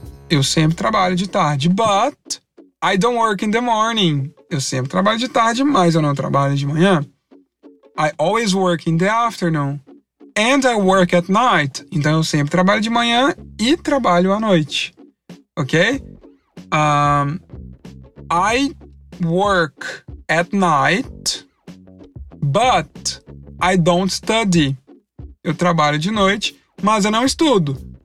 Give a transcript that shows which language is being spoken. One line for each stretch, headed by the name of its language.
Portuguese: Eu sempre trabalho de tarde,
English: but I don't work in the morning.
Portuguese: Eu sempre trabalho de tarde, mas eu não trabalho de manhã.
English: I always work in the afternoon. And I work at night.
Portuguese: Então, eu sempre trabalho de manhã e trabalho à noite.
English: Ok? I work at night, but I don't study.
Portuguese: Eu trabalho de noite, mas eu não estudo.